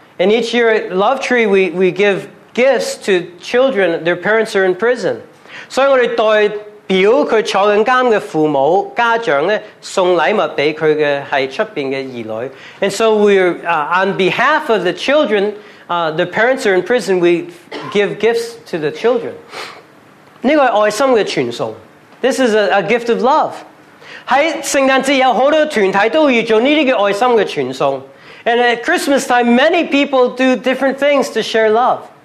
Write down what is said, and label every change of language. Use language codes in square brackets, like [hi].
[en] And each year at Love Tree, we give gifts to children, their parents are in prison. [zh] 所以我们代表他坐监的父母、家长呢，送礼物给他的是出面的儿女。 [en] And so we're on behalf of the children, the parents are in prison, we give gifts to the children. [zh] 这个是爱心的传送。 [en] This is a gift of love. [zh] 在圣诞节有很多团体都要做这些爱心的传送。 [en] And at Christmas time, many people do different things to share love.